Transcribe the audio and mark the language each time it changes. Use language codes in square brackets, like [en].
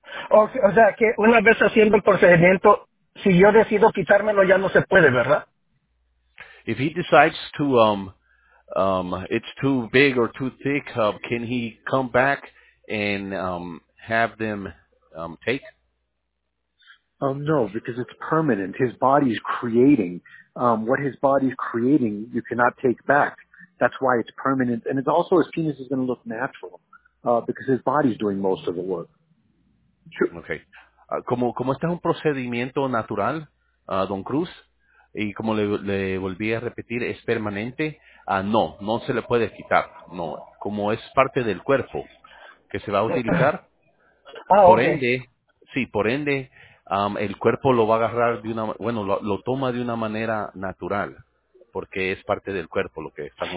[es] Okay, o sea, que una vez haciendo el procedimiento, si yo decido quitármelo, ya no se puede, ¿verdad? [en] If he decides to, it's too big or too thick, can he come back and have them take? No, because it's permanent. His body's creating. What his body's creating, you cannot take back. That's why it's permanent. And it's also, his penis is going to look natural, because his body's doing most of the work. Okay. [es] Como este es un procedimiento natural, Don Cruz, y como le volví a repetir, es permanente, no se le puede quitar. No, como es parte del cuerpo que se va a utilizar, por ende, el cuerpo lo va a agarrar lo toma de una manera natural, porque es parte del cuerpo lo que estamos